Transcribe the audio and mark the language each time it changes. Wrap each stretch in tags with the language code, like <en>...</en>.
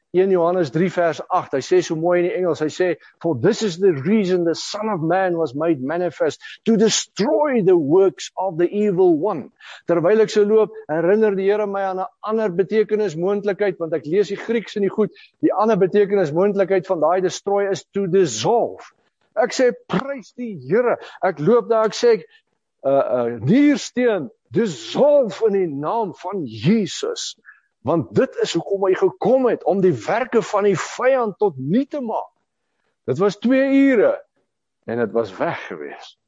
<af>1 Johannes 3 vers 8, hy sê so mooi in die Engels, hy sê,</af> <en>for this is the reason the Son of Man was made manifest, to destroy the works of the evil one.</en> <af>Terwyl ek so loop, herinner die Here my aan 'n ander betekenis moontlikheid, want ek lees die Grieks in die goed, die ander betekenis moontlikheid van daai</af> <en>destroy is to dissolve.</en> <af>Ek sê, prys die Here. Ek loop daar, ek sê, niersteen, dissolve in die naam van Jesus. Want dit is hoekom hy gekom het, om die werke van die vyand tot nie te maak. Dit was 2 ure, en het was weg gewees.</af>